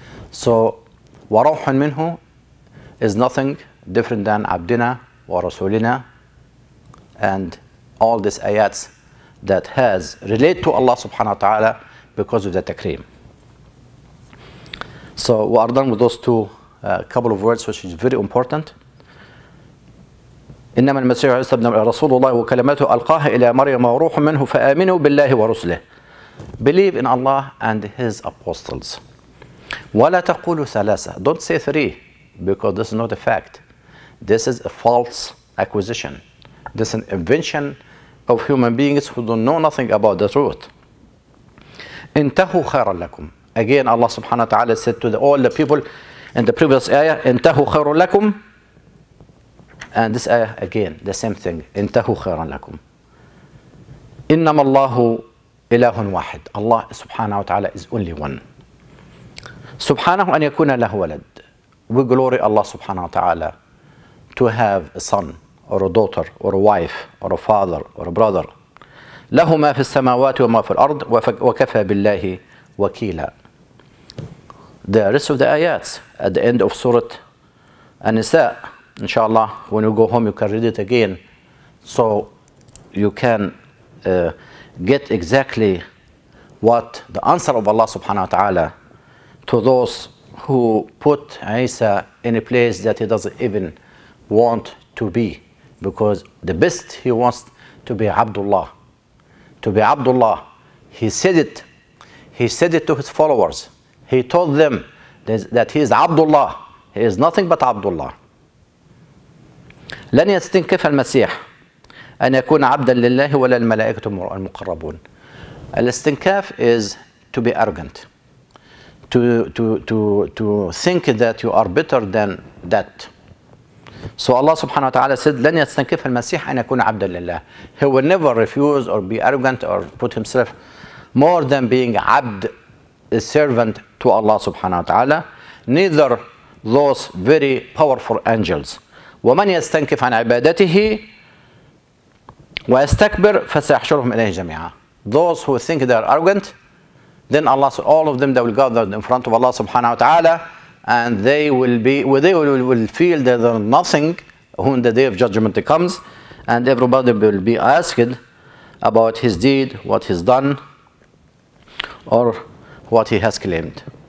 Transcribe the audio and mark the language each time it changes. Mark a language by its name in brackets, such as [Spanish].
[English] So [Arabic] وروح منه [English] is nothing different than [Arabic] عبدنا ورسولنا [English] and all these ayats that has related to Allah subhanahu wa ta'ala because of the takreem. So we are done with those two couple of words, which is very important. [Arabic] إنما المسيح عيسى ابن رسول الله وكلماته ألقاها إلى مريم وروح منه فآمنوا بالله ورسله. [English] Believe in Allah and His apostles. [Arabic] ولا تقولوا ثلاثة. [English] Don't say three because this is not a fact. This is a false acquisition. This is an invention of human beings who don't know nothing about the truth. [Arabic] انتهوا خيرا لكم. [English] Again, Allah subhanahu wa ta'ala said to all the people in the previous ayah, انتهوا خيرا لكم. And this ayah again, the same thing. [Arabic] انتهوا خيرا لكم. إنما الله إله واحد. [English] Allah subhanahu wa ta'ala is only one. [Arabic] سبحانه أن يكون له ولد. [English] We glory Allah subhanahu wa ta'ala to have a son or a daughter or a wife or a father or a brother. [Arabic] له ما في السماوات وما في الأرض وكفى بالله وكيلا. [English] The rest of the ayats at the end of Surah An-Nisa, inshallah, when you go home, you can read it again. So you can get exactly what the answer of Allah subhanahu wa ta'ala to those who put Isa in a place that he doesn't even want to be. Because the best he wants to be Abdullah. To be Abdullah, he said it. He said it to his followers. He told them that he is Abdullah. He is nothing but Abdullah. [Arabic] لن يستنكف المسيح أن يكون عبدا لله ولا الملائكة المقربون. الاستنكاف [English] is to be arrogant. To think that you are better than that. So Allah subhanahu wa ta'ala said [Arabic] لن يستنكف المسيح أن يكون عبدا لله. [English] He will never refuse or be arrogant or put himself more than being [Arabic] عبد, [English] a servant to Allah subhanahu wa ta'ala. Neither those very powerful angels. [Arabic] ومن يستنكف عن عبادته ويستكبر فسيحشرهم إليه جميعا. [English] Those who think they are arrogant, then Allah, all of them, they will gather in front of Allah subhanahu wa ta'ala, and they will feel that they are nothing when the day of judgment comes, and everybody will be asked about his deed, what he's done, or what he has claimed.